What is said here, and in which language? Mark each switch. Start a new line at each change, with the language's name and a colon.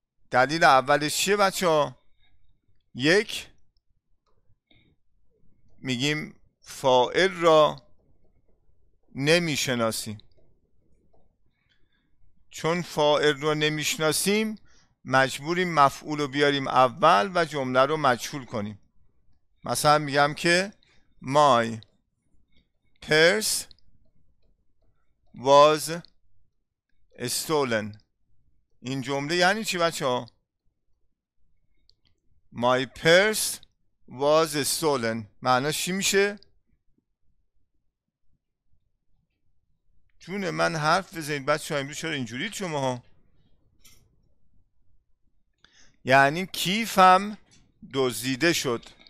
Persian: دلیل اولش چیه بچه ها؟ یک، میگیم فاعل را نمیشناسیم. چون فاعل را نمیشناسیم مجبوریم مفعول رو بیاریم اول و جمله رو مجهول کنیم. مثلا میگم که
English: my purse was stolen.
Persian: این جمله یعنی چی بچه ها؟
English: my purse was stolen
Persian: معناش چی میشه؟ جون من حرف بزنید بچه ها، این رو چرا اینجوری شما ها؟ یعنی کیفم دزدیده شد.